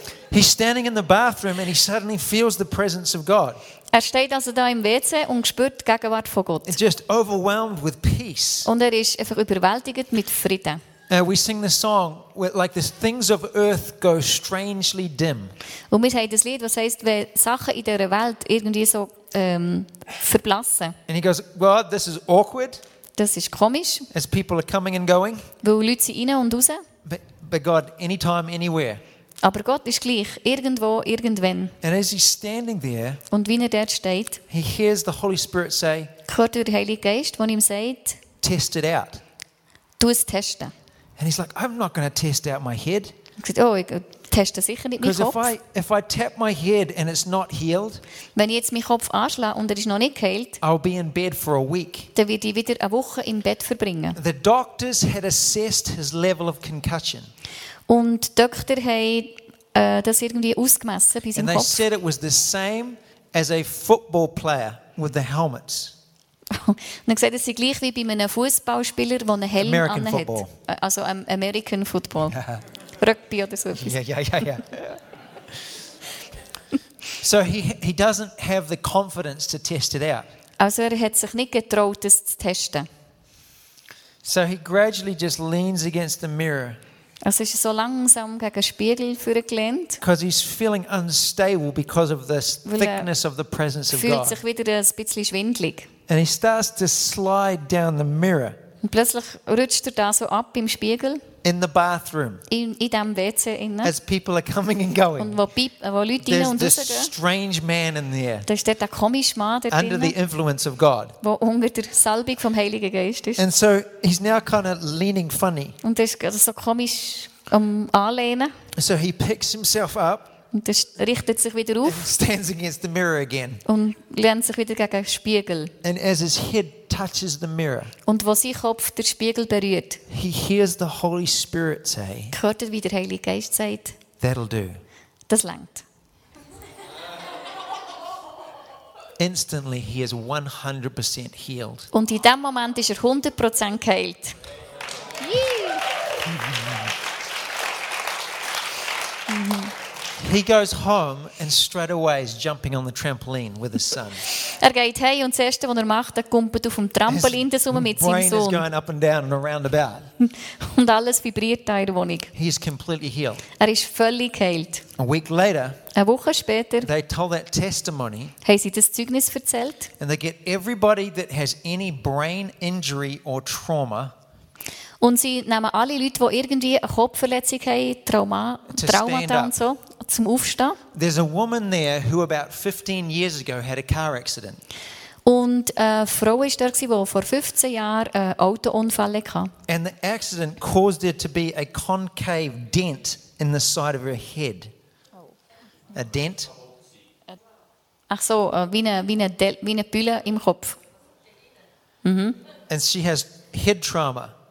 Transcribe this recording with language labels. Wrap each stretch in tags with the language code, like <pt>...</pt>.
<en>He's standing in the bathroom and he suddenly feels the presence of God.</en> <de>Er steht also da im WC und spürt die Gegenwart von Gott.</de> <en>He's just overwhelmed with peace.</en> <de>Und er ist einfach überwältigt mit Frieden.</de> <en>We sing the song like the things of earth go strangely dim.</en> <de>Und wir haben das Lied, was heißt, wenn Sachen in dieser Welt irgendwie so verblassen.</de> <en>And he goes, God, this is awkward.</en> <de>Das ist komisch.</de> <en>As people are coming and going.</en> <de>Weil Leute sind rein und raus.</de> <en>But God, anytime, anywhere.</en> <de>Aber Gott ist gleich, irgendwo, irgendwann.</de> <en>And as he's standing there,</en> <de>und wie er dort steht,</de> <en>he hears the Holy Spirit say,</en> <de>hört der Heilige Geist, der ihm sagt,</de> <en>test it out.</en> <de>Tu es testen.</de> <en>And he's like, I'm not going to test out my head.</en> <de>Ich sagte, oh, ich teste sicher nicht meinen Kopf.</de> <en>Because if I tap my head and it's not healed,</en> <de>wenn ich jetzt meinen Kopf anschlage und er ist noch nicht geheilt,</de> <en>I'll be in bed for a week.</en> <de>Dann werde ich wieder eine Woche im Bett verbringen.</de> <en>The doctors had assessed his level of concussion.</en> <de>Und die Doktor haben das irgendwie ausgemessen bei seinem</de> <en>and</en> <de>Kopf.</de> <en>And they said it was the same as a football player with the helmets.</en> <de>Und er sagt, es sei gleich wie bei einem Fußballspieler, der einen Helm</de> <en>American</en> <de>anhat.</de> <en>Football.</en> <de>Also American Football. Rugby oder so. Ja.</de> <en>So he doesn't have the confidence to test it out.</en> <de>Also er hat sich nicht getraut, es zu testen.</de> <en>So he gradually just leans against the mirror.</en> <de>Also ist er so langsam gegen den Spiegel vorgelehnt.</de> <en>Because he's feeling unstable because of this thickness of the presence of God.</en> <de>Fühlt sich wieder ein bisschen schwindlig.</de> <en>And he starts to slide down the mirror.</en> <de>Und plötzlich rutscht er da so ab im Spiegel.</de> <en>In the bathroom.</en> <de>In dem WC innen.</de> <en>As people are coming and going.</en> <de>Und wo Leute innen und rausgehen.</de> <en>There's this strange man in there.</en> <de>Da ist der komische Mann dort.</de> <en>Under the influence of God.</en> <de>Wo unter der Salbung vom Heiligen Geist ist.</de> <en>And so he's now kind of leaning funny.</en> <de>Und das ist so komisch anlehnen.</de> <en>So he picks himself up.</en> <de>Und das richtet sich wieder auf.</de> <en>Stands against the mirror again.</en> <de>Und lehnt sich wieder gegen den Spiegel.</de> <en>And as his head touches the mirror.</en> <de>Und wo sein Kopf den Spiegel berührt.</de> <en>He hears the Holy Spirit say.</en> <de>Hört er, wie der Heilige Geist sagt.</de> <en>That'll do.</en> <de>Das langt.</de> <en>Instantly he is 100% healed.</en> <de>Und in dem Moment ist er 100% geheilt.</de> <en>He goes home and straight away is jumping on the trampoline with his son.</en> <de>Er geht heim und das erste, was er macht, er kumpelt auf dem Trampolin mit seinem Sohn.</de> <en>His brain is going up and down and around about.</en> <de>Und alles vibriert da in der Wohnung.</de> <en>He is completely healed.</en> <de>Er ist völlig geheilt.</de> <en>A week later,</en> <de>eine Woche später,</de> <en>they tell that testimony.</en> <de>Haben sie das Zeugnis erzählt?</de> <en>And they get everybody that has any brain injury or trauma.</en> <de>Und sie nehmen alle Leute, die irgendwie eine Kopfverletzung haben, Traumata und so. Zum Aufstehen.</de> <en>There's a woman there who about 15 years ago had a car accident.</en> <de>Und eine Frau ist da gsi, wo vor 15 Jahren einen Autounfall hatte.</de> <en>And the accident caused her to be a concave dent in the side of her head. A dent?</en> <de>Ach so, wie eine Bülle im Kopf. Mhm.</de> <en>And she has head trauma.</en>